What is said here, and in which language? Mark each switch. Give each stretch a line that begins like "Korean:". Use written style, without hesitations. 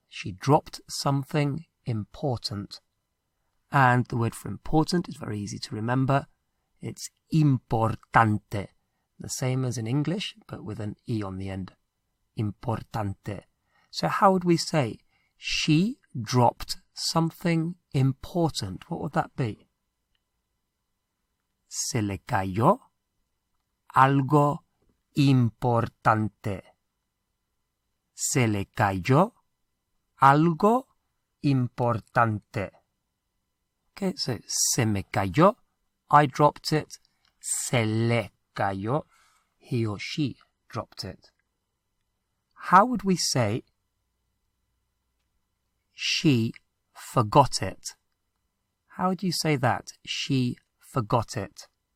English: She dropped something important. And the word for important is very easy to remember. It's importante. The same as in English, but with an E on the end. Importante. So how would we say, she dropped something important? What would that be?
Spanish: Se le cayó algo importante. Se le cayó algo importante.
English: Okay, so
Spanish: se me cayó,
English: I dropped it.
Spanish: Se le cayó,
English: he or she dropped it. How would we say, she forgot it? How would you say that? She forgot it.